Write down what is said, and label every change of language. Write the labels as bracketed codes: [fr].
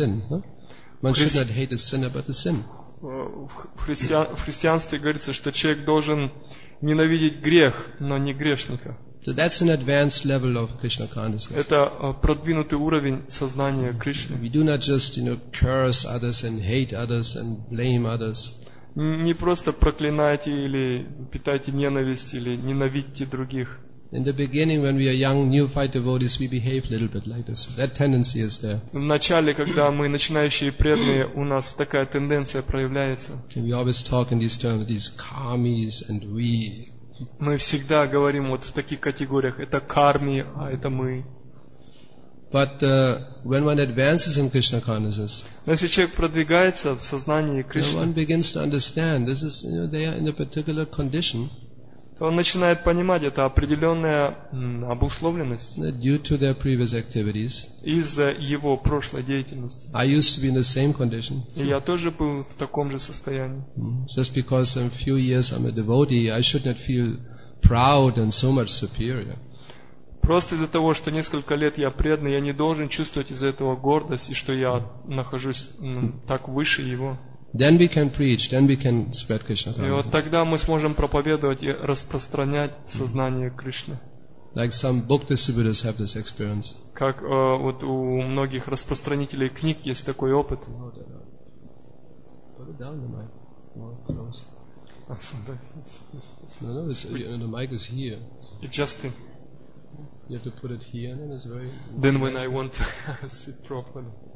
[en] One should not hate the sinner, but the sin. [ru] В христианстве говорится, что человек должен ненавидеть грех, но не грешника. [en] So that's an advanced level of Krishna consciousness. [ru] Это продвинутый уровень сознания Кришны. [en] We do not just, you know, curse others and hate others and blame others. [ru] Не просто проклинайте или питайте ненависть или ненавидите других. [en] In the beginning, when we are young, newfound devotees, we behave a little bit like this. That tendency is there. [ru] В начале, когда мы начинающие преданные, у нас такая тенденция проявляется. [en] And we always talk in these terms, these karmis and we. [ru] Мы всегда говорим вот в таких категориях: это карми, а это мы. [en] But when one advances in Krishna consciousness, [ru] но если человек продвигается в сознании Кришны, [en] one begins to understand this is, you know, they are in a particular condition. [ru] Он начинает понимать, это определенная обусловленность из-за его прошлой деятельности. И я тоже был в таком же состоянии. [en] Just because I'm a few years I'm a devotee, I should not feel proud and so much superior. [ru] Просто из-за того, что несколько лет я преданный, я не должен чувствовать из-за этого гордость, и что я нахожусь так выше его. [en] Then we can preach, then we can spread Krishna consciousness. [ru] И вот тогда мы сможем проповедовать и распространять сознание Кришны. [en] Like some book distributors have this experience. [ru] Как вот у многих распространителей книг есть такой опыт. [en] Then when I want to sit properly.